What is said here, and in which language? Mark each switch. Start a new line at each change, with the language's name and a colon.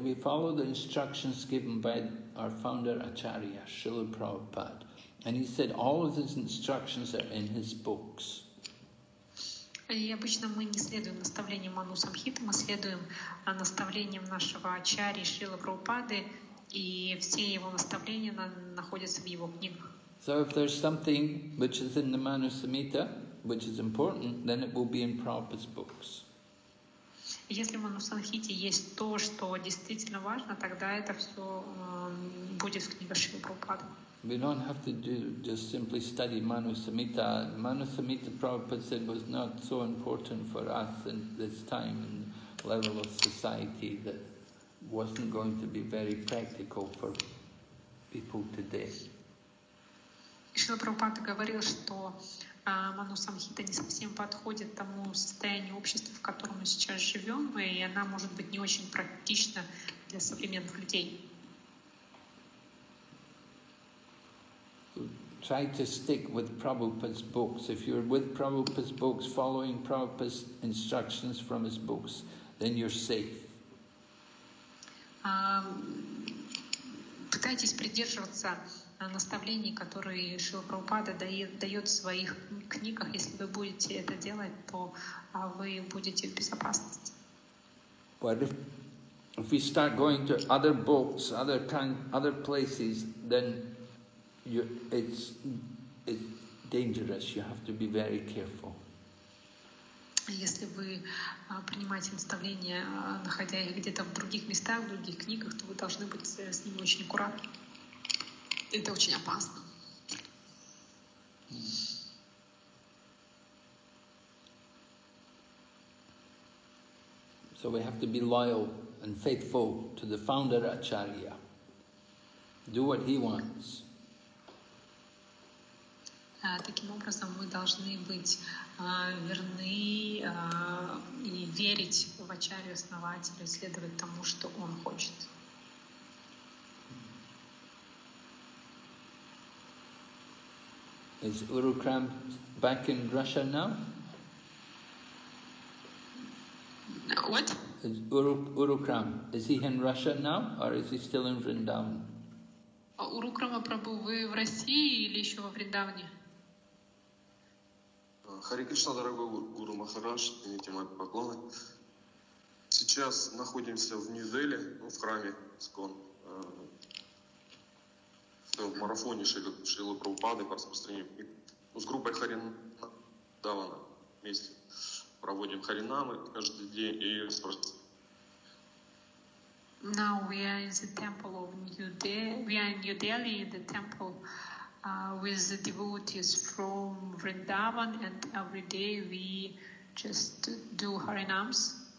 English: We follow the instructions given by our founder Acharya, Srila Prabhupada. And he said all of his instructions are in his books.
Russian: И обычно мы не следуем наставлениям Манусамхиты, мы следуем наставлениям нашего Ачарьи Шрилы Прабхупады, и все его наставления находятся в его книгах.
English: So if there's something which is in the Manasamhita, which is important, then it will be in Prabhupada's books.
Russian: Если в Манусанхите есть то, что действительно важно, тогда это все будет в книгах Шрилы Прабхупады.
English: We don't have to do just simply study Manusamhita. Manusamhita, Prabhupada said, was not so important for us in this time and level of society that wasn't going to be very practical for people today.
Russian: Шрила Прабхупада говорил, что Манусамхита не совсем подходит тому состоянию общества, в котором мы сейчас живем, и она может быть не очень практична для современных людей.
English: Try to stick with Prabhupada's books. If you're with Prabhupada's books, following Prabhupada's instructions from his books, then you're safe.
Russian: Пытайтесь придерживаться наставлений, которые Шрила Прабхупада дает в своих книгах. Если вы будете это делать, то вы будете в безопасности.
English: But if we start going to other books, other places, then it's dangerous. You have to be very careful.
Russian: Если вы принимаете наставления, находя их где-то в других местах, в других книгах, то вы должны быть с ними очень аккуратны. Это очень опасно.
English: So we have to be loyal and faithful to the founder Acharya. Do what he wants.
Russian: Таким образом, мы должны быть верны и верить в Ачарью Основателя, следовать тому, что он хочет.
English: Is Uru Kram back in Russia now? What? Урукрам, is he in Russia now, or is he still in Vrindavan?
Russian: Урукрама Прабху, вы в России или еще во Вриндаване? Харе Кришна, дорогой Гуру Махарадж, извините мои поклоны. Сейчас находимся в Нью-Дели, в храме Скон. В марафоне Шрилы Прабхупады по распространению. С группой Харинадавана вместе проводим харинамы каждый день и спросим.
English: Now we are in the temple of New Delhi. We are in New Delhi in the temple with the devotees from Vrindavan, and every day we just do harinams.